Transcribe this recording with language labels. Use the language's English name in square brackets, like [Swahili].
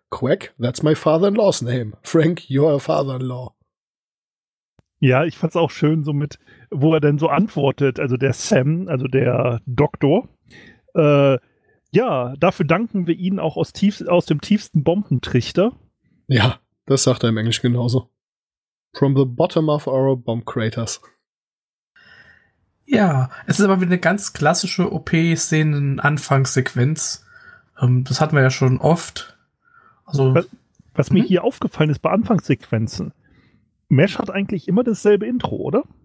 [English] Quack, that's my father-in-law's name. Frank, you're a father-in-law. [German] Ja, ich fand's auch schön so mit, wo er denn so antwortet, also der Sam, also der Doktor. Dafür danken wir Ihnen auch aus dem tiefsten Bombentrichter. Ja, das sagt er im Englisch genauso. [English] From the bottom of our bomb craters. [German] Ja, es ist aber wieder eine ganz klassische OP-Szenen-Anfangssequenz. Das hatten wir ja schon oft. Also, was mir hier aufgefallen ist bei Anfangssequenzen, Mesh hat eigentlich immer dasselbe Intro, oder?